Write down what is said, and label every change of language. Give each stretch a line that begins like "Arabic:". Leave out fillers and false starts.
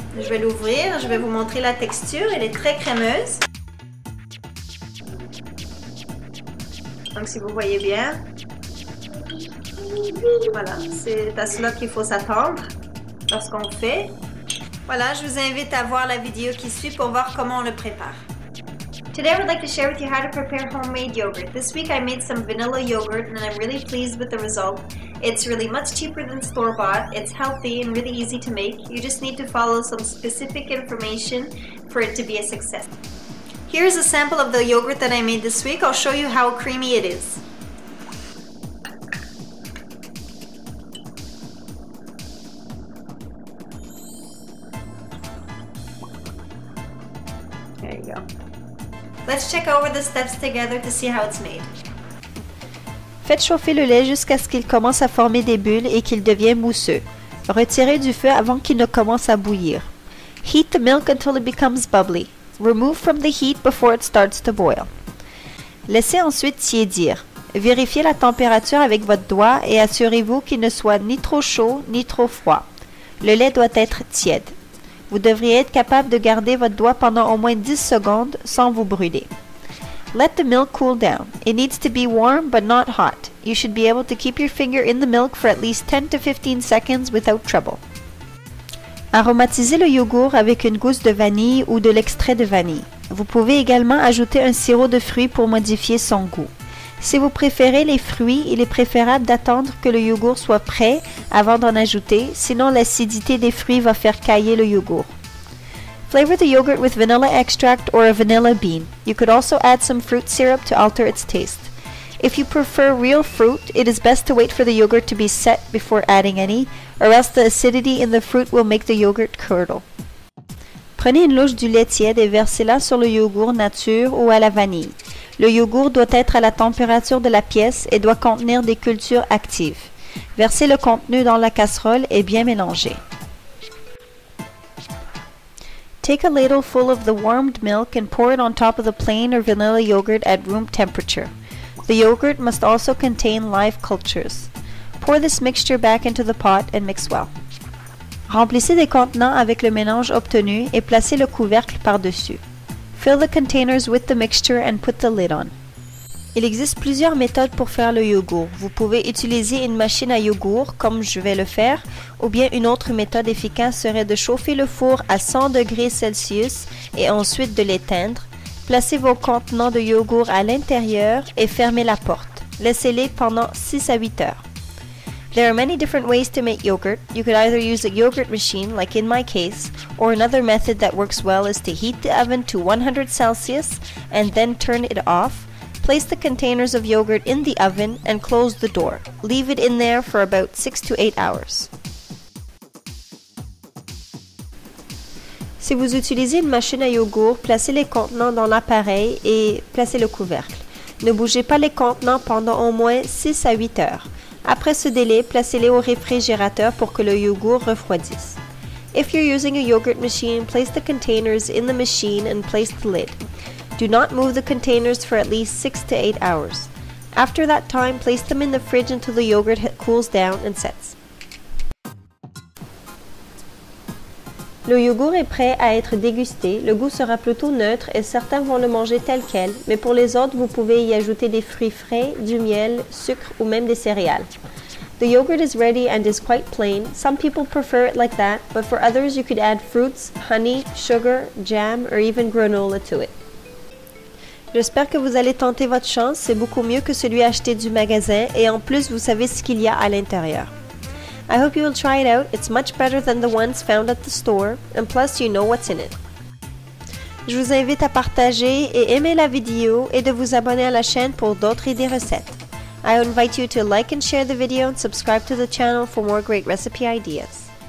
French: Je vais l'ouvrir, je vais vous montrer la texture. Elle est très crémeuse. Donc si vous voyez bien, voilà, c'est à cela qu'il faut s'attendre lorsqu'on fait. Voilà, je vous invite à voir la vidéo qui suit pour voir comment on le prépare.
English: Today I would like to share with you how to prepare homemade yogurt. This week I made some vanilla yogurt and I'm really pleased with the result. It's really much cheaper than store-bought, it's healthy and really easy to make. You just need to follow some specific information for it to be a success. Here's a sample of the yogurt that I made this week. I'll show you how creamy it is. There you go. Let's check over the steps together to see how it's made.
French: Faites chauffer le lait jusqu'à ce qu'il commence à former des bulles et qu'il devienne mousseux. Retirez du feu avant qu'il ne commence à bouillir.
English: Heat the milk until it becomes bubbly. Remove from the heat before it starts to boil.
French: Laissez ensuite tiédir. Vérifiez la température avec votre doigt et assurez-vous qu'il ne soit ni trop chaud ni trop froid. Le lait doit être tiède. Vous devriez être capable de garder votre doigt pendant au moins 10 secondes sans vous brûler.
English: Let the milk cool down. It needs to be warm but not hot. You should be able to keep your finger in the milk for at least 10 to 15 seconds without trouble.
French: Aromatisez le yogourt avec une gousse de vanille ou de l'extrait de vanille. Vous pouvez également ajouter un sirop de fruits pour modifier son goût. Si vous préférez les fruits, il est préférable d'attendre que le yogourt soit prêt avant d'en ajouter, sinon l'acidité des fruits va faire cailler le yogourt.
English: Flavor the yogurt with vanilla extract or a vanilla bean. You could also add some fruit syrup to alter its taste. If you prefer real fruit, it is best to wait for the yogurt to be set before adding any, or else the acidity in the fruit will make the yogurt curdle.
French: Prenez une louche du lait tiède et versez-la sur le yogourt nature ou à la vanille. Le yogourt doit être à la température de la pièce et doit contenir des cultures actives. Versez le contenu dans la casserole et bien mélangez.
English: Take a ladle full of the warmed milk and pour it on top of the plain or vanilla yogurt at room temperature. The yogurt must also contain live cultures. Pour this mixture back into the pot and mix well.
French: Remplissez des contenants avec le mélange obtenu et placez le couvercle par-dessus.
English: Fill the containers with the mixture and put the lid on.
French: Il existe plusieurs méthodes pour faire le yogourt. Vous pouvez utiliser une machine à yogourt, comme je vais le faire, ou bien une autre méthode efficace serait de chauffer le four à 100 degrés Celsius et ensuite de l'éteindre. Placez vos contenants de yogourt à l'intérieur et fermez la porte. Laissez-les pendant 6 à 8 heures.
English: There are many different ways to make yogurt. You could either use a yogurt machine, like in my case, or another method that works well is to heat the oven to 100 Celsius and then turn it off. Place the containers of yogurt in the oven and close the door. Leave it in there for about 6 to 8 hours.
French: Si vous utilisez une machine à yogourt, placez les contenants dans l'appareil et placez le couvercle. Ne bougez pas les contenants pendant au moins 6 à 8 heures. Après ce délai, placez-les au réfrigérateur pour que le yogourt refroidisse.
English: If you're using a yogurt machine, place the containers in the machine and place the lid. Do not move the containers for at least 6 to 8 hours. After that time, place them in the fridge until the yogurt cools down and sets.
French: Le yogourt est prêt à être dégusté. Le goût sera plutôt neutre et certains vont le manger tel quel, mais pour les autres, vous pouvez y ajouter des fruits frais, du miel, sucre ou même des céréales.
English: The yogurt is ready and is quite plain. Some people prefer it like that, but for others, you could add fruits, honey, sugar, jam or even granola to it.
French: J'espère que vous allez tenter votre chance. C'est beaucoup mieux que celui acheté du magasin et en plus, vous savez ce qu'il y a à l'intérieur.
English: I hope you will try it out. It's much better than the ones found at the store. And plus, you know what's in it.
French: Je vous invite à partager et aimer la vidéo et de vous abonner à la chaîne pour d'autres idées recettes.
English: I invite you to like and share the video and subscribe to the channel for more great recipe ideas.